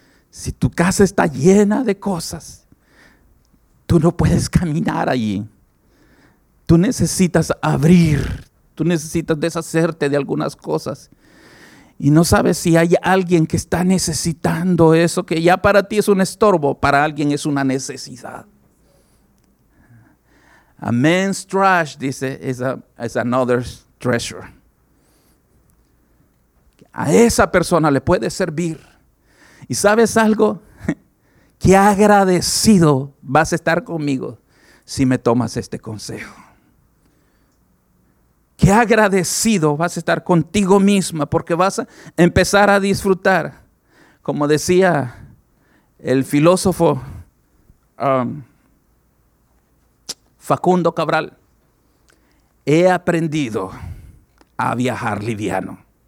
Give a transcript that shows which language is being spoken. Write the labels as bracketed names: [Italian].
[Spanish] Si tu casa está llena de cosas, tú no puedes caminar allí. Tú necesitas abrir, tú necesitas deshacerte de algunas cosas. Y no sabes si hay alguien que está necesitando eso, que ya para ti es un estorbo, para alguien es una necesidad. [English] A man's trash, [Spanish] dice, [English] is another's treasure. [Spanish] A esa persona le puede servir. ¿Y sabes algo? Qué agradecido vas a estar conmigo si me tomas este consejo. Qué agradecido vas a estar contigo misma, porque vas a empezar a disfrutar, como decía el filósofo Facundo Cabral, he aprendido a viajar liviano.